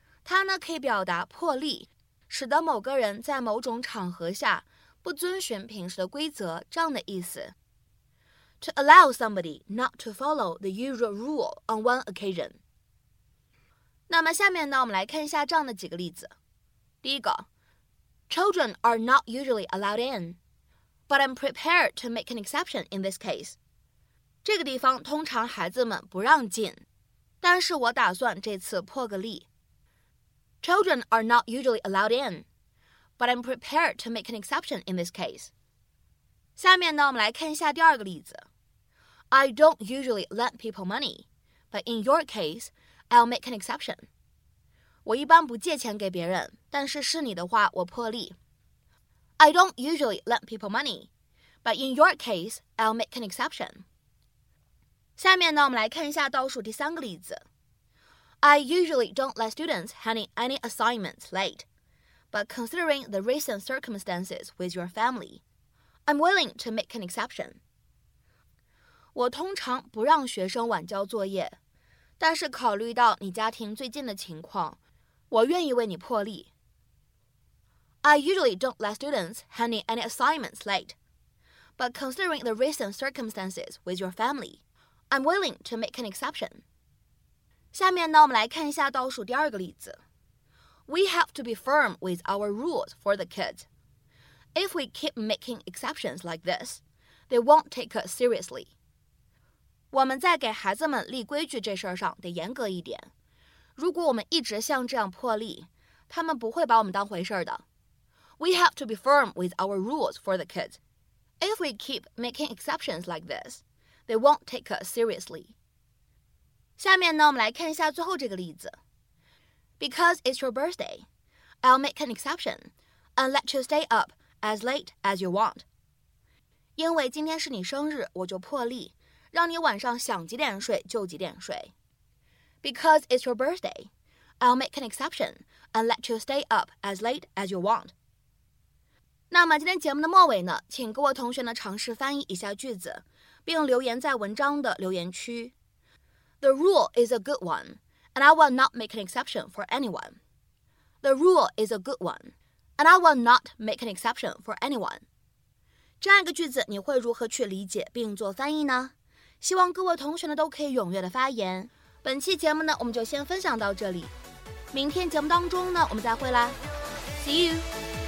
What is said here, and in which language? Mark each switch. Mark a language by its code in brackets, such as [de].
[zh] 它呢可以表达破例，使得某个人在某种场合下不遵循平时的规则这样的意思。 [en] To allow somebody not to follow the usual rule on one occasion。 [zh] 那么下面呢，我们来看一下这样的几个例子。第一个 [en] ，Children are not usually allowed in, but I'm prepared to make an exception in this case. [zh] 这个地方通常孩子们不让进，但是我打算这次破个例。 [en] Children are not usually allowed in, but I'm prepared to make an exception in this case. [zh] 下面呢，我们来看一下第二个例子。 [en] I don't usually lend people money, but in your case, I'll make an exception. [zh] 我一般不借钱给别人，但是是你的话，我破例。 [en] I don't usually lend people money, but in your case, I'll make an exception. [zh] 下面呢，我们来看一下倒数第三个例子。 [en] I usually don't let students hand in any assignments late, but considering the recent circumstances with your family, I'm willing to make an exception. [zh] 我通常不让学生晚交作业，但是考虑到你家庭最近的情况，我愿意为你破例。 [en] I usually don't let students hand in any assignments late, but considering the recent circumstances with your family,I'm willing to make an exception. [zh] 下面呢，我们来看一下倒数第二个例子。 [en] We have to be firm with our rules for the kids. If we keep making exceptions like this, they won't take us seriously. [zh] 我们在给孩子们立规矩这事儿上得严格一点。如果我们一直像这样破例，他们不会把我们当回事儿的。 [en] We have to be firm with our rules for the kids. If we keep making exceptions like this,They won't take us seriously. [zh] 下面呢，我们来看一下最后这个例子。 [en] Because it's your birthday, I'll make an exception and let you stay up as late as you want. 因为今天是你生日，我就破例，让你晚上想几点睡就几点睡。 Because it's your birthday, I'll make an exception and let you stay up as late as you want. [zh] 那么今天节目的末尾呢，请各位同学呢尝试翻译一下句子，并留言在文章的留言区。 [en] The rule is a good one, and I will not make an exception for anyone. The rule is a good one, and I will not make an exception for anyone. [zh] 这样一个句子你会如何去理解并做翻译呢？希望各位同学呢都可以踊跃的发言。本期节目呢我们就先分享到这里，明天节目当中呢我们再会啦。 [en] See you!